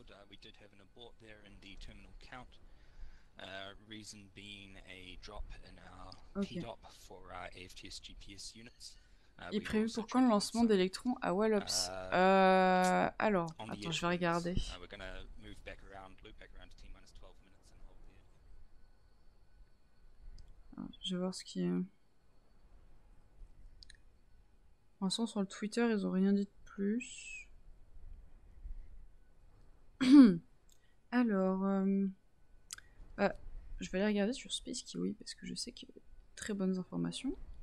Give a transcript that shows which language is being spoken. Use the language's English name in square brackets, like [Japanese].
[English] We did have an abort there in the terminal count. Reason being a drop in our PDOP for our AFTS GPS units. [French] Il prévu pour quand le lancement d'électrons à Wallops? Alors, attends, je vais regarder. [English] We're gonna move back around, loop back around to T-minus 12 minutes and hold there. [French] Je vais voir ce qui est. En ce sens, sur le Twitter, ils ont rien dit de plus. Alors, je vais aller regarder sur SpaceKiwi parce que je sais qu'il y a de très bonnes informations.